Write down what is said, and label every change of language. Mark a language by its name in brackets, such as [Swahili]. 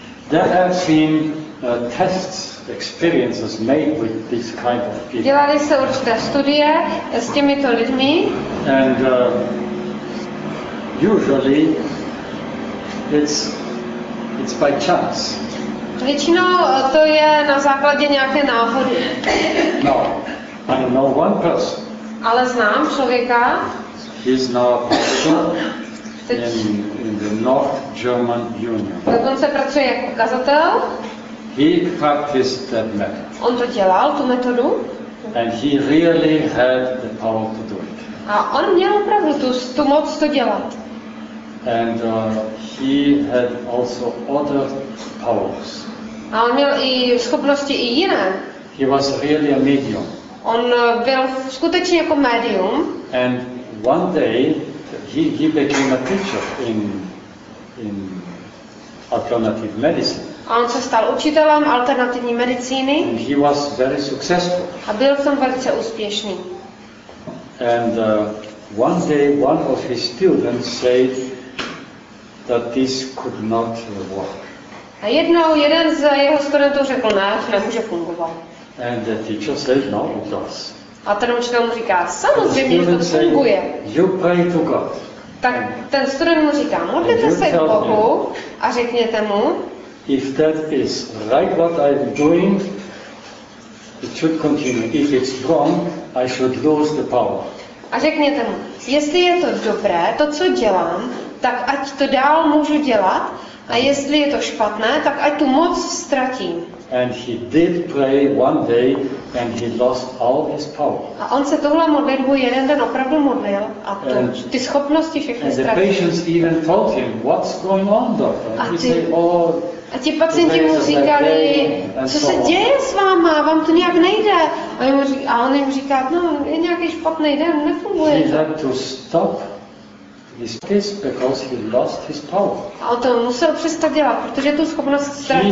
[English] There have been tests, experiences made with this kind of people. [Czech] Dělali se určité studie s těmito lidmi. [English] And usually it's by chance. [Czech] Většinou to je na základě nějaké náhody. [English] No, I know one person. [Czech] Ale znám člověka. [English] He's now a pastor in the North German Union. [Czech] Dokonce pracuje jako kazatel. [English] He practiced that method. [Czech] On to dělal, tu metodu. [English] And he really had the power to do it. [Czech] A on měl opravdu tu moc to dělat. [English] And he had also other powers. [Czech] A on měl i schopnosti i jiné. [English] He was really a medium. [Czech] On byl skutečně jako médium. [English] And one day he became a teacher in alternative medicine. [Czech] A on se stal učitelem alternativní medicíny. [English] And he was very successful. [Czech] A byl jsem velice úspěšný. [English] And one day one of his students said that this could not work. [Czech] A jednou jeden z jeho studentů řekl, ne, to nemůže fungovat. [English] And the teacher said, no, it does. [Czech] A ten učitel mu říká, samozřejmě, že to funguje. [English] You pray to God. [Czech] Tak ten student mu říká, modlete se k Bohu a řekněte mu, [English] if that is right what I'm doing, it should continue. If it's wrong, I should lose the power. [Czech] A řekněte mu, jestli je to dobré, to co dělám, tak ať to dál můžu dělat, a jestli je to špatné, tak ať tu moc ztratím. [English] And he did pray one day and he lost all his power. [Czech] A on se tohle modlitbu jeden den opravdu modlil a to, [English] and, [Czech] ty schopnosti všechny ztratil. [English] The patients even told him, what's going on, doctor? [Czech] A ty, ti pacienti mu říkali, co se děje s váma, vám to nějak nejde. A on jim říká, no je nějaký špatný den, nefunguje. [English] He had to stop his case because he lost his power. [Czech] A on to musel přestat dělat, protože tu schopnost ztratil.